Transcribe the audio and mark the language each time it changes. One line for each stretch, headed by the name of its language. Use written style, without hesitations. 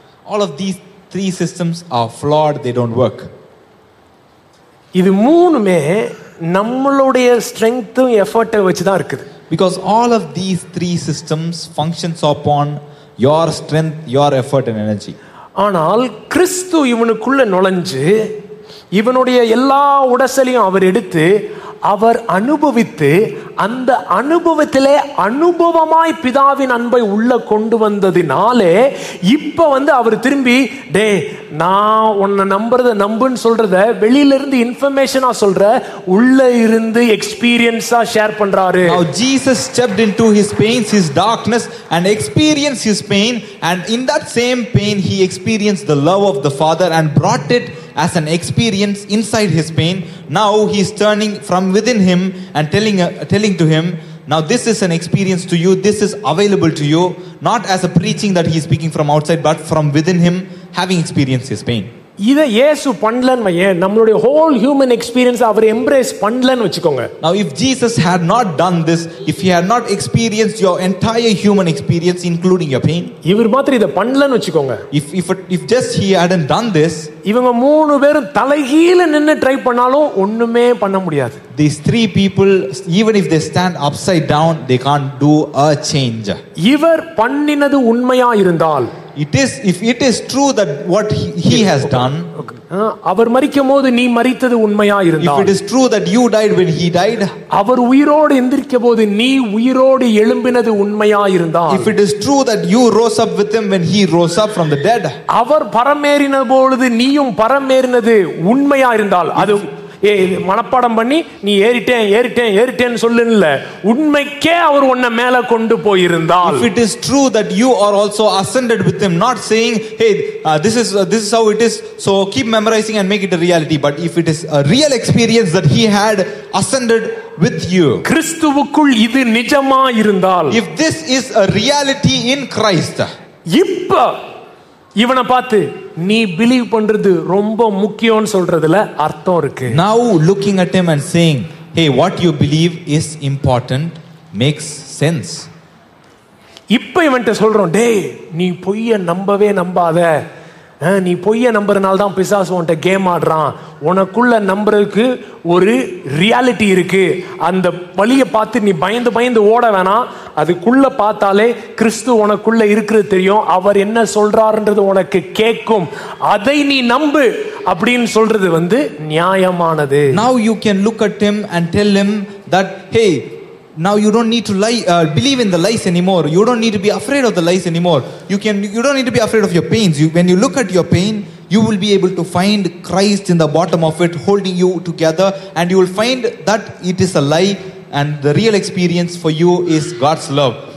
English: All of these three systems are flawed, they don't work.
Tamil: இது மூணுமே நம்மளுடைய ஸ்ட்ரெங்த்தும் எஃபர்ட்டும் வச்சு தான் இருக்குது.
English: Because all of these three systems functions upon your strength, your effort and energy.
Tamil: ஆனால் கிறிஸ்து இவனுக்குள்ள நுழைஞ்சு இவனுடைய எல்லா உடசலையும் அவர் எடுத்து அவர் அனுபவித்து அந்த அனுபவத்திலே அனுபவமாய் பிதாவின் அன்பை உள்ள கொண்டு வந்ததினாலே இப்ப வந்து அவர் திரும்பி டே நான் உன்னை நம்புறத நம்புன்னு சொல்றத வெளியில இருந்து இன்ஃபர்மேஷனா சொல்ற உள்ள இருந்து எக்ஸ்பீரியன்ஸா ஷேர் பண்றாரு.
English: Now Jesus stepped into his pains, his darkness and experienced his pain and in that same pain he experienced the love of the Father and brought it as an experience inside his pain. Now he is turning from within him and telling to him, now this is an experience to you, this is available to you, not as a preaching that he is speaking from outside, but from within him having experienced his pain.
Tamil: இது இயேசு பண்ணலன்னு வையே, நம்மளுடைய
English: whole human experience
Tamil: அவர் embrace பண்ணலன்னு வச்சுக்கோங்க.
English: Now if Jesus had not done this, if he had not experienced your entire human experience including your pain,
Tamil: இவர் மாத்திரம் இத பண்ணலன்னு வச்சுக்கோங்க.
English: If just he hadn't done this,
Tamil: இவங்க மூணு பேரும் தலையில நின்னு ட்ரை பண்ணாலும் ஒண்ணுமே பண்ண முடியாது.
English: These three people, even if they stand upside down, they can't do a change.
Tamil: இவர் பண்ணினது உண்மையா இருந்தால்,
English: If it is true that what he has done,
Tamil: அவர் மரிக்கும்போது நீ மரித்தது உண்மையா இருந்தால்,
English: if it is true that you died when he died,
Tamil: அவர் உயிரோடு எந்திரிக்கும்போது நீ உயிரோடு எழும்பினது உண்மையா இருந்தால்,
English: if it is true that you rose up with him when he rose up from the dead,
Tamil: அவர் பரமேறினபொழுது நீயும் பரமேறினது உண்மையா இருந்தால், அது மனப்பாடம் பண்ணி நீ ஏறிட்டேன் ஏறிட்டேன் ஏறிட்டேன்னு சொல்லு, உண்மைக்கே அவர் உன்னை மேல கொண்டு போயிருந்தால்,
English: if it is true that you are also ascended with him, not saying hey this is how it is so keep memorizing and make it a reality, but if it is a real experience that he had ascended with you,
Tamil: கிறிஸ்துவுக்குள் இது நிஜமா இருந்தால்,
English: if this is a reality in Christ,
Tamil: இப்ப இவனை பார்த்து நீ believe பண்றது ரொம்ப முக்கியம்னு சொல்றதுல அர்த்தம் இருக்கு.
English: Now looking at him and saying hey what you believe is important makes sense.
Tamil: இப்ப இவன்ட்ட சொல்றோம் டேய் நீ பொய்ய நம்பவே நம்பாத, நீ பொய்ய நம்புறதுனால தான் பிசாசு உன்கிட்ட கேம் ஆடுறான், உனக்குள்ள நம்புறதுக்கு ஒரு ரியாலிட்டி இருக்கு, அந்த வழியை பார்த்து நீ பயந்து பயந்து ஓட வேணாம், அதுக்குள்ள பார்த்தாலே கிறிஸ்து உனக்குள்ள இருக்கிறது தெரியும், அவர் என்ன சொல்றாருன்றது உனக்கு கேட்கும், அதை நீ நம்பு அப்படின்னு சொல்றது வந்து நியாயமானது.
English: Now you can look at him and tell him that hey Now you don't need to lie, believe in the lies anymore. You don't need to be afraid of the lies anymore. You don't need to be afraid of your pains. When you look at your pain, you will be able to find Christ in the bottom of it, holding you together, and you will find that it is a lie, and the real experience for you is God's love.